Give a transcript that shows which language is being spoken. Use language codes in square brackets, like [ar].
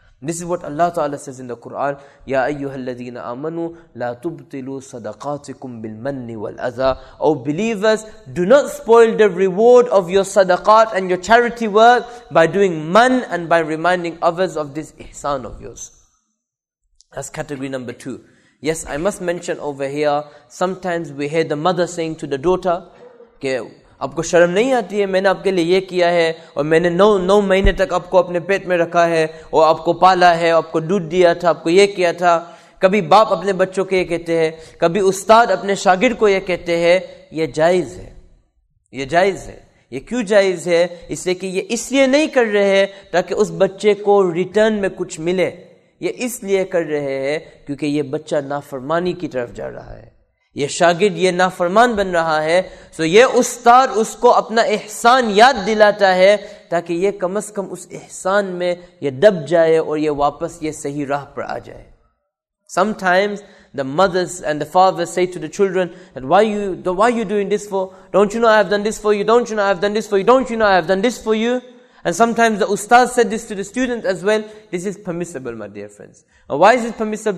[en] This is what Allah Ta'ala says in the Quran, [ar] يَا أَيُّهَا الَّذِينَ آمَنُوا لَا تُبْتِلُوا صَدَقَاتِكُمْ بِالْمَنِّ وَالْأَذَىٰ. [en] O believers, do not spoil the reward of your sadaqat and your charity work by doing man and by reminding others of this ihsan of yours. That's category number two. Yes, I must mention over here, sometimes we hear the mother saying to the daughter, okay, [hi] आपको शर्म नहीं आती है, मैंने आपके लिए ये किया है और मैंने 9 महीने तक आपको अपने पेट में रखा है और आपको पाला है, आपको दूध दिया था, आपको ये किया था. कभी बाप अपने बच्चों को ये कहते हैं, कभी उस्ताद अपने शागिर्द को ये कहते हैं. ये जायज़ है, ये जायज़ है. ये क्यों जायज़ है? इसलिए कि ये इसलिए नहीं कर रहे हैं ताकि उस बच्चे को रिटर्न में कुछ मिले. ये इसलिए कर रहे हैं क्योंकि ये बच्चा नाफरमानी की तरफ जा रहा है, ये शागिर्द ये नाफरमान बन रहा है. सो ये उस्ताद उसको अपना एहसान याद दिलाता है ताकि ये कम से कम उस एहसान में ये दब जाए और ये वापस ये सही राह पर आ जाए. [en] Sometimes the mothers and the fathers say to the children that why are you doing this for? Don't you know I have done this for you? Don't you know I have done this for you? Don't you know I have done this for you? And sometimes the ustad said this to the student as well. This is permissible, my dear friends. And why is it permissible?